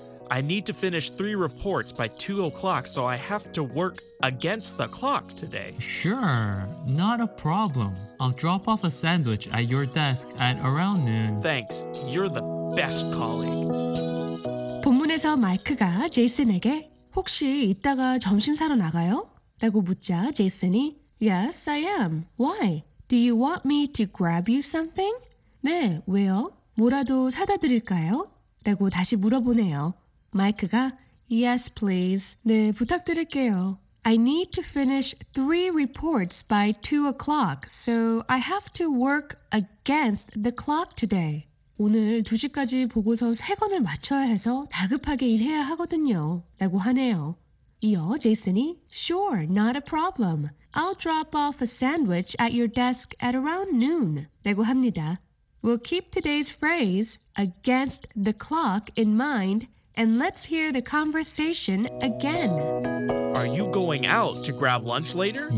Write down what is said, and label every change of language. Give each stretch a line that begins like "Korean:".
English: I need to finish 3 reports by 2 o'clock, so I have to work against the clock today. Sure, not a problem. I'll drop off a sandwich at your desk at around noon. Thanks, you're the best colleague.
Korean: 본문에서 마이크가 제이슨에게 혹시 이따가 점심 사러 나가요? 라고 묻자 제이슨이
English: Yes, I am. Why? Do you want me to grab you something?
Korean: 네, 왜요? 뭐라도 사다 드릴까요? 라고 다시 물어보네요.
English: 마이크가 Yes, please.
Korean: 네, 부탁드릴게요.
English: I need to finish 3 reports by 2 o'clock, so I have to work against the clock today.
Korean: 오늘 2시까지 보고서 3건을 마쳐야 해서 다급하게 일해야 하거든요. 라고 하네요. 이어 제이슨이
English: Sure, not a problem. I'll drop off a sandwich at your desk at around noon.
Korean: 라고 합니다.
English: We'll keep today's phrase against the clock in mind and let's hear the conversation again. Are you going out to grab lunch later?